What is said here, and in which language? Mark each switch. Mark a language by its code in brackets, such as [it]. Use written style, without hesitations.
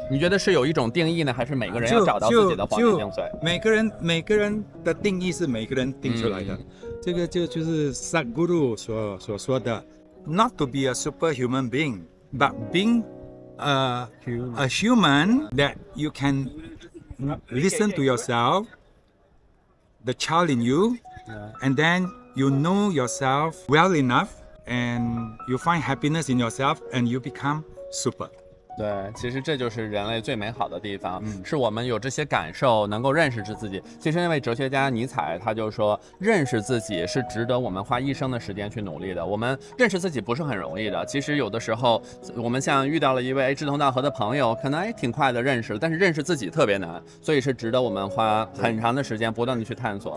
[zh] 你觉得是有一种定义呢，还是每个人要找到自己的黄金精髓？每个人的定义是每个人定出来的。这个就是 [en] Sadhguru [zh] 所说的 [en] Not to be a superhuman being but being a human that you can listen to yourself, the child in youAnd then you know yourself well enough, and you find happiness in yourself, and you become super. [zh] 对，其实这就是人类最美好的地方，嗯，是我们有这些感受，能够认识自己。其实那位哲学家尼采他就说，认识自己是值得我们花一生的时间去努力的。我们认识自己不是很容易的，其实有的时候我们像遇到了一位志同道合的朋友，可能哎挺快的认识，但是认识自己特别难，所以是值得我们花很长的时间不断的去探索。